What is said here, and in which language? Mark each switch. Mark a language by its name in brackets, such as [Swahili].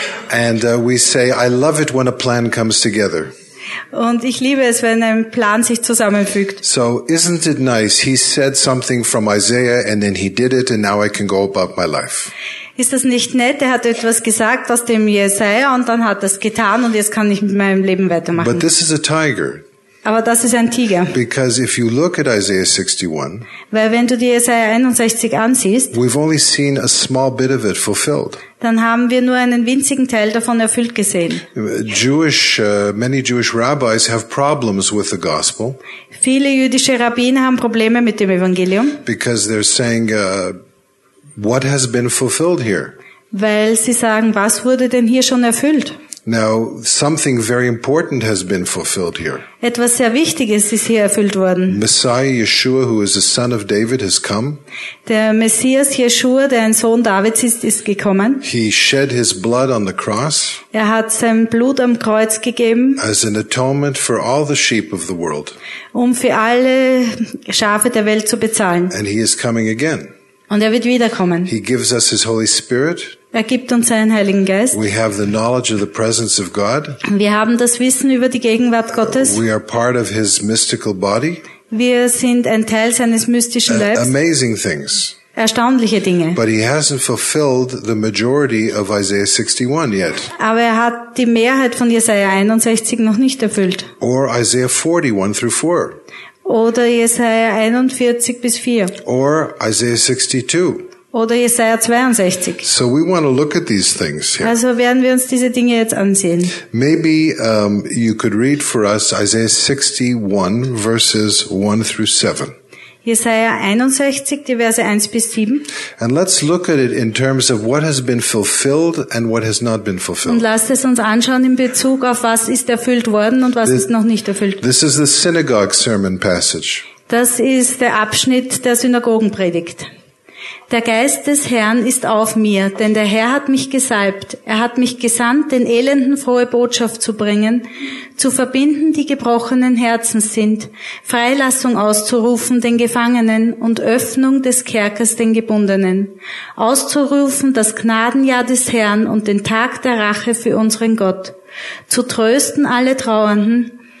[English] And we say, I love it when a plan comes together. [German] Und ich liebe es, wenn ein Plan sich zusammenfügt. [English] So, isn't it nice? He said something from Isaiah and then he did it and now I can go about my life. [German] Ist das nicht nett? Er hat etwas gesagt aus dem Jesaja und dann hat er es getan und jetzt kann ich mit meinem Leben weitermachen. [English] But this is a tiger. [German] Aber das ist ein Tiger. [English] Because if you look at Isaiah 61, [German] weil wenn du die Jesaja 61 ansiehst, [English] we've only seen a small bit of it fulfilled. [German] Dann haben wir nur einen winzigen Teil davon erfüllt gesehen. [English] Many Jewish rabbis have problems with the gospel. [German] Viele jüdische Rabbiner haben Probleme mit dem Evangelium. [English] Because they're saying, what has been fulfilled here? [German] Weil sie sagen, was wurde denn hier schon erfüllt? [English] Now something very important has been fulfilled here. [German] Etwas sehr Wichtiges ist hier erfüllt worden. [English] Messiah Yeshua, who is the son of David, has come. [German] Der Messias Yeshua, der ein Sohn Davids ist, ist gekommen. [English] He shed his blood on the cross. [German] Er hat sein Blut am Kreuz gegeben. [English] As an atonement for all the sheep of the world. [German] Um für alle Schafe der Welt zu bezahlen. [English] And he is coming again. [German] Und er wird wiederkommen. [English] He gives us his Holy Spirit. [German] Er gibt uns seinen Heiligen Geist. [English] We have the knowledge of the presence of God. [German] Wir haben das Wissen über die Gegenwart Gottes. [English] We are part of his mystical body. [German] Wir sind ein Teil seines mystischen Leibes. [English] Amazing things. [German] Erstaunliche Dinge. [English] But he hasn't fulfilled the majority of Isaiah 61 yet. [German] Aber er hat die Mehrheit von Jesaja 61 noch nicht erfüllt. [English] Or Isaiah 41-4. [German] Oder Jesaja 41-4. [English] Or Isaiah 62. [German] Oder Jesaja 62. [English] So we want to look at these things here. [German] Also werden wir uns diese Dinge jetzt ansehen. [English] Maybe you could read for us Isaiah 61 verses 1 through 7. [German] Jesaja 61, die Verse 1 bis 7. [English] And let's look at it in terms of what has been fulfilled and what has not been fulfilled. [German] Und lasst es uns anschauen in Bezug auf was ist erfüllt worden und was ist noch nicht erfüllt. [English] This is the synagogue sermon passage. [German] Das ist der Abschnitt der Synagogenpredigt. Der Geist des Herrn ist auf mir, denn der Herr hat mich gesalbt. Er hat mich gesandt, den Elenden frohe Botschaft zu bringen, zu verbinden, die gebrochenen Herzen sind, Freilassung auszurufen den Gefangenen und Öffnung des Kerkers den Gebundenen, auszurufen das Gnadenjahr des Herrn und den Tag der Rache für unseren Gott, zu trösten alle Trauernden,